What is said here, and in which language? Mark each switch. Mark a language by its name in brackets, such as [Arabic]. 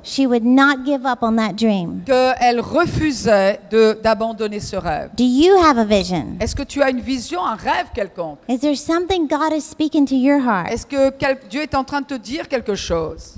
[English] She would not give up on that dream. [French] Que elle refusait d'abandonner ce rêve. [English] Do you have a vision? [French] Est-ce que tu as une vision, un rêve quelconque? [English] Is there something God is speaking to your heart? [French] Est-ce que Dieu est en train de te dire quelque chose?